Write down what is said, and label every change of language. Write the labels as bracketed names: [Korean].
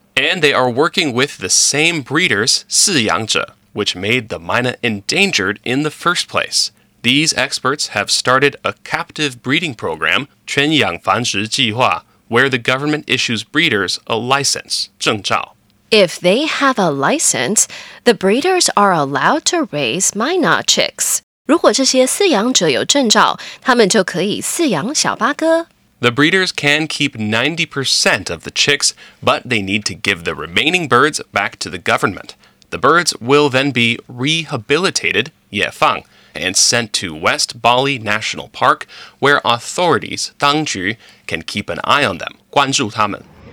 [English] And they are working with the same breeders, [Chinese] 饲养者, [English] which made the Myna endangered in the first place. These experts have started a captive breeding program, [Chinese] 圈养繁殖计划, [English] where the government issues breeders a license, [Chinese] 证照。 [English] If they have a license, the breeders are allowed to raise Myna chicks. [Chinese] 如果这些饲养者有证照,他们就可以饲养小八哥。 [English] The breeders can keep 90% of the chicks, but they need to give the remaining birds back to the government. The birds will then be rehabilitated, [Chinese] 野放, [English] and sent to West Bali National Park, where authorities, [Chinese] 当局, [English] can keep an eye on them, [Chinese] 关注他们。